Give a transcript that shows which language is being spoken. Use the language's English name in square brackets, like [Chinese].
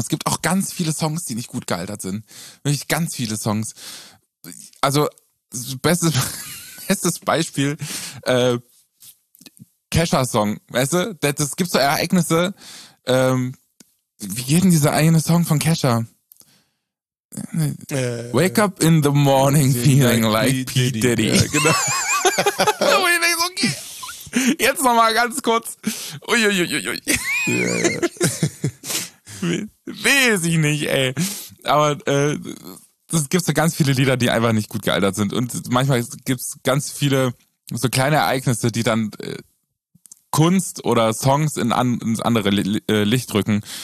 [German] Es gibt auch ganz viele Songs, die nicht gut gealtert sind. Wirklich ganz viele Songs. Also, bestes Beispiel, Kesha-Song, weißt du? Es gibt so Ereignisse. Wie geht denn dieser eine Song von Kesha? [English] Wake up in the morning feeling like P. Diddy. [German] Genau. Und ich denke so, okay. Jetzt nochmal ganz kurz. Uiuiuiui. Ui, ui. Yeah. Weiß ich nicht, ey. Aber es gibt so ganz viele Lieder, die einfach nicht gut gealtert sind. Und manchmal gibt es ganz viele so kleine Ereignisse, die dann Kunst oder Songs ins andere Licht drücken.